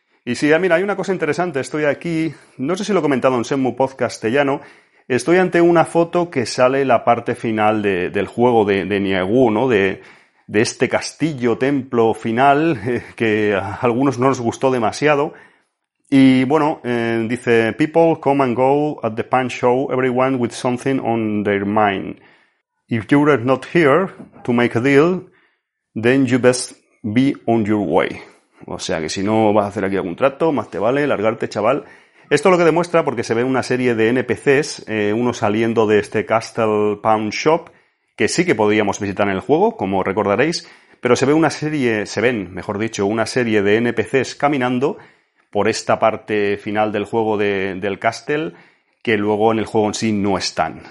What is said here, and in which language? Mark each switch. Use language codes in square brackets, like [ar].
[es] Y sí, mira, hay una cosa interesante, estoy aquí, no sé si lo he comentado en Shenmue Podcast Tellano, estoy ante una foto que sale la parte final del juego de Niegu, ¿no? De este castillo, templo final, que a algunos no nos gustó demasiado. Y bueno, dice, [en] people come and go at the Pan Show, everyone with something on their mind. If you're not here to make a deal, then you best be on your way. [es] O sea, que si no vas a hacer aquí algún trato, más te vale largarte, chaval. Esto es lo que demuestra, porque se ve una serie de NPCs, uno saliendo de este Castle Pound Shop, que sí que podríamos visitar en el juego, como recordaréis, pero se ven, mejor dicho, una serie de NPCs caminando por esta parte final del juego del Castle, que luego en el juego en sí no están.